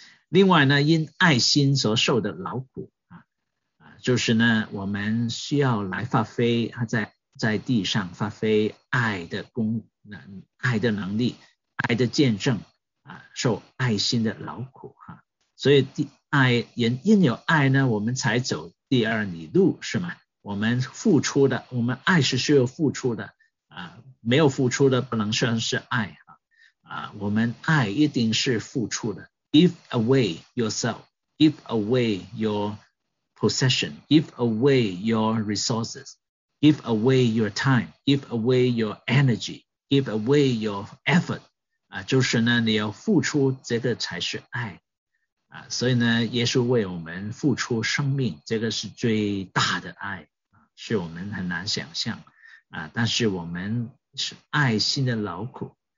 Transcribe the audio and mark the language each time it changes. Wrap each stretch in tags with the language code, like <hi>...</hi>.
<zh>另外呢，因爱心所受的劳苦啊，就是呢我们需要来发挥啊，在地上发挥爱的能力，爱的见证啊，受爱心的劳苦啊。所以因有爱呢我们才走第二里路是吗？我们付出的，我们爱是需要付出的啊，没有付出的不能算是爱啊。啊，我们爱一定是付出的。</zh> <en>Give away yourself, give away your possession, give away your resources, give away your time, give away your energy, give away your effort.</en> <zh>啊，就是呢，你要付出，这个才是爱。啊，所以呢耶稣为我们付出生命，这个是最大的爱，是我们很难想象啊，但是我们是爱心的劳苦。</zh>